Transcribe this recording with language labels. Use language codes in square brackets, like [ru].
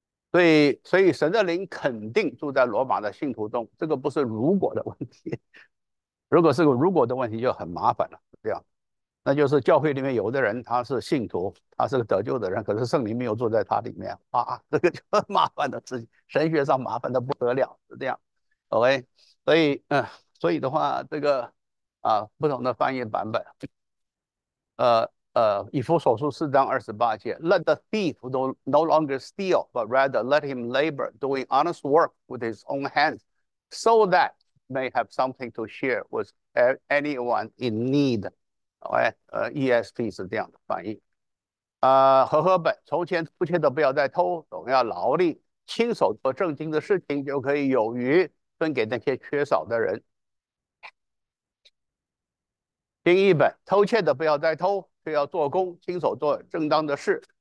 [zh] 所以神的灵肯定住在罗马的信徒中，这个不是如果的问题。如果是个如果的问题，就很麻烦了。这样，那就是教会里面有的人他是信徒，他是个得救的人，可是圣灵没有住在他里面啊，这个就很麻烦的事情，神学上麻烦的不得了，是这样。 OK。所以的话，这个不同的翻译版本，以弗所书4章28节， [en] Let the thief no longer steal, but rather let him labor, doing honest work with his own hands, so that may have something to share with anyone in need. [zh] ESP 是这样的翻译。和合本，从前偷窃的不要再偷，总要劳力，亲手做正经的事情就可以有余。分给那些缺少的人。另一本，偷窃的不要再偷，却要做工，亲手做正当的事，